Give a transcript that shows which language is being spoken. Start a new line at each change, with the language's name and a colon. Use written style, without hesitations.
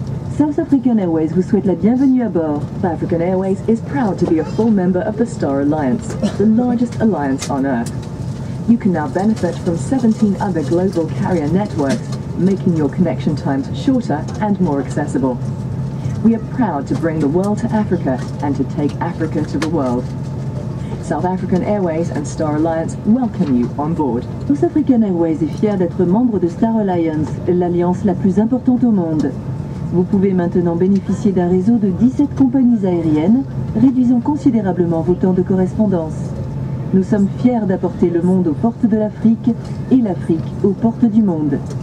French: South African Airways vous souhaite la bienvenue à bord.
English: South African Airways is proud to be a full member of the Star Alliance, the largest alliance on Earth. You can now benefit from 17 other global carrier networks, making your connection times shorter and more accessible. We are proud to bring the world to Africa and to take Africa to the world. South African Airways and Star Alliance welcome you on board.
French: South African Airways est fier d'être membre de Star Alliance, l'alliance la plus importante au monde. Vous pouvez maintenant bénéficier d'un réseau de 17 compagnies aériennes, réduisant considérablement vos temps de correspondance. Nous sommes fiers d'apporter le monde aux portes de l'Afrique et l'Afrique aux portes du monde.